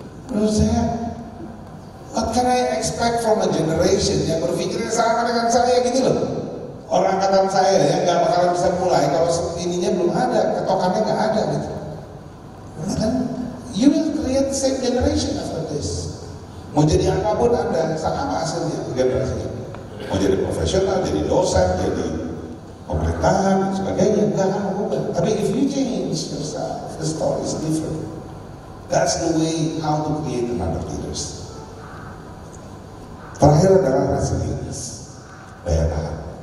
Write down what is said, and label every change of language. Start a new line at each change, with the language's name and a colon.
Indonesian: Menurut saya,
English: what can I expect from a generation
Indonesian: yang berpikirnya sama dengan saya gitu loh. Orang angkatan saya ya gak bakalan bisa mulai kalau ininya belum ada, ketokannya gak ada gitu.
English: And then, you will create the same generation after this.
Indonesian: Mau jadi apapun Anda, sama hasilnya generasi. Mau jadi profesional, jadi dosen, jadi pemerintahan, sebagainya, gak akan berubah.
English: Tapi if you change yourself, the story is different. That's the way how to create another leaders.
Indonesian: Terakhir adalah resilience, daya tahan.